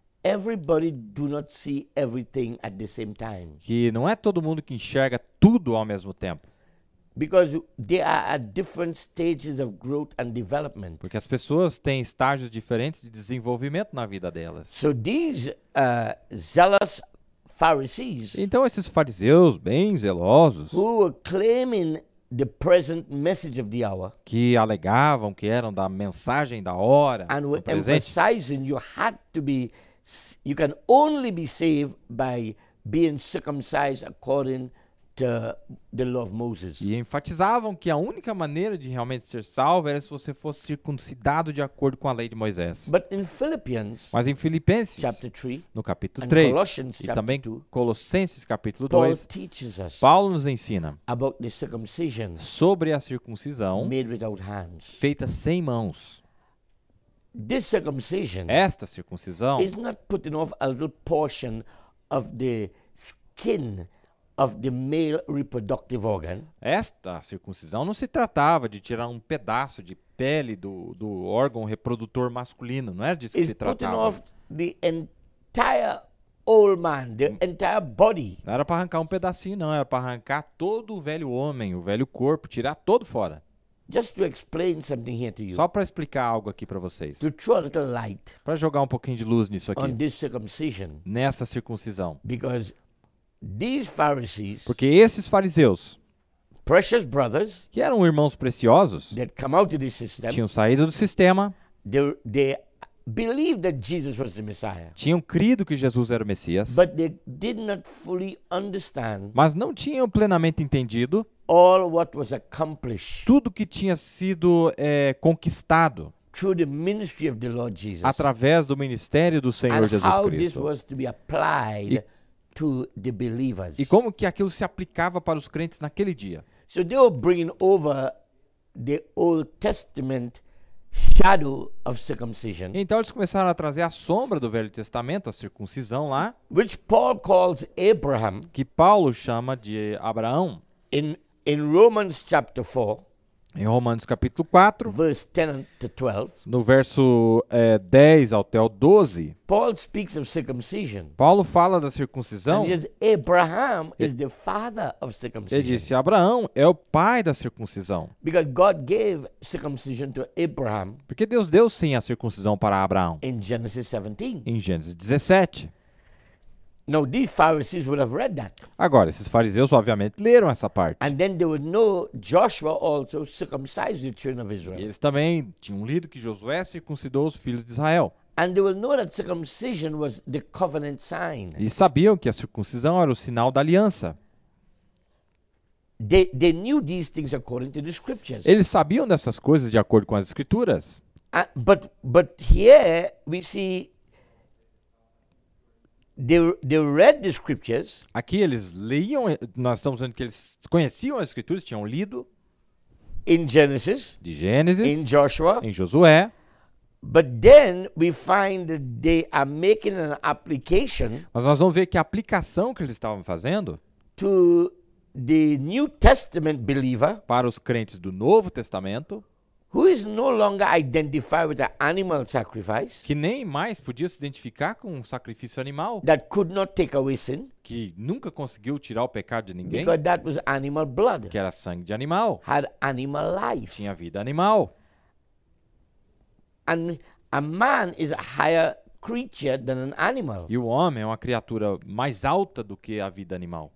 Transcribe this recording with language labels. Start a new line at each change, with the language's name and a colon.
English: everybody do not see everything at the same time.
Portuguese: Que não é todo mundo que enxerga tudo ao mesmo tempo.
English: Because they are at different stages of growth and development.
Portuguese: Porque as pessoas têm estágios diferentes de desenvolvimento na vida delas.
English: So these zealous Pharisees.
Portuguese: Então esses fariseus bem zelosos.
English: Who are claiming the present message of the hour,
Portuguese: que alegavam que eram da mensagem da hora.
English: And were emphasizing you had to be, you can only be saved by being circumcised according to the law of Moses.
Portuguese: E enfatizavam que a única maneira de realmente ser salvo era se você fosse circuncidado de acordo com a lei de Moisés.
English: But in Philippians,
Portuguese: mas em Filipenses,
English: chapter 3,
Portuguese: no capítulo 3,
English: and
Portuguese: e também
English: 2,
Portuguese: Colossenses capítulo
English: Paul
Portuguese: 2,
English: teaches us,
Portuguese: Paulo nos ensina
English: about the circumcision,
Portuguese: sobre a circuncisão
English: made without hands,
Portuguese: feita sem mãos.
English: This circumcision,
Portuguese: esta circuncisão,
English: is not putting off a little portion of the skin of the male reproductive organ.
Portuguese: Esta circuncisão não se tratava de tirar um pedaço de pele do órgão reprodutor masculino, não era disso que se tratava.
English: It's putting off the entire old man, the entire body.
Portuguese: Não era para arrancar um pedacinho, não, era para arrancar todo o velho homem, o velho corpo, tirar todo fora.
English: Just to explain something here to you.
Portuguese: Só para explicar algo aqui para vocês.
English: To throw a little light.
Portuguese: Para jogar um pouquinho de luz nisso aqui.
English: On this circumcision.
Portuguese: Nessa circuncisão.
English: Because these Pharisees.
Portuguese: Porque esses fariseus.
English: Precious brothers.
Portuguese: Que eram irmãos preciosos.
English: That come out of this system.
Portuguese: Tinham saído do sistema.
English: They believed that Jesus was the Messiah.
Portuguese: Tinham crido que Jesus era o Messias.
English: But they did not fully understand.
Portuguese: Mas não tinham plenamente entendido.
English: All what was accomplished,
Portuguese: tudo que tinha sido conquistado,
English: through the ministry of the Lord Jesus,
Portuguese: através do ministério do Senhor
English: and
Portuguese: Jesus
English: how
Portuguese: Cristo,
English: this was to be applied to the believers.
Portuguese: E como que aquilo se aplicava para os crentes naquele dia.
English: So they were bringing over the Old Testament shadow of circumcision.
Portuguese: Então eles começaram a trazer a sombra do Velho Testamento, a circuncisão lá,
English: which Paul calls Abraham,
Portuguese: que Paulo chama de Abraão,
English: in Romans chapter 4.
Portuguese: Em Romanos capítulo 4,
English: verse 10 to 12,
Portuguese: no verso 10 até o 12,
English: Paul speaks of circumcision.
Portuguese: Paulo fala da circuncisão.
English: And he says, Abraham is the father of circumcision.
Portuguese: Ele disse, Abraão é o pai da circuncisão.
English: Because God gave circumcision to Abraham.
Portuguese: Porque Deus deu sim a circuncisão para Abraão.
English: In Genesis 17.
Portuguese: Em Gênesis 17.
English: Now, these Pharisees would have read that.
Portuguese: Agora, esses fariseus obviamente leram essa parte.
English: And then they would know Joshua also circumcised the children of Israel.
Portuguese: E eles também tinham lido que Josué circuncidou os filhos de Israel.
English: And they would know that circumcision was the covenant sign.
Portuguese: E sabiam que a circuncisão era o sinal da aliança.
English: They knew these things according to the scriptures.
Portuguese: Eles sabiam dessas coisas de acordo com as escrituras.
English: But here we see They read the scriptures.
Portuguese: Aqui eles liam, nós estamos vendo que eles conheciam as escrituras, tinham lido.
English: In Genesis.
Portuguese: De Gênesis.
English: In Joshua.
Portuguese: Em Josué.
English: But then we find that they are making an application.
Portuguese: Mas nós vamos ver que a aplicação que eles estavam fazendo
English: to the New Testament believer,
Portuguese: para os crentes do Novo Testamento,
English: who is no longer identified with the animal sacrifice,
Portuguese: que nem mais podia se identificar com um sacrifício animal,
English: that could not take away sin,
Portuguese: que nunca conseguiu tirar o pecado de ninguém,
English: because that was animal blood,
Portuguese: que era sangue de animal,
English: had animal life,
Portuguese: tinha vida animal.
English: And a man is a higher creature than an animal.
Portuguese: E o homem é uma criatura mais alta do que a vida animal.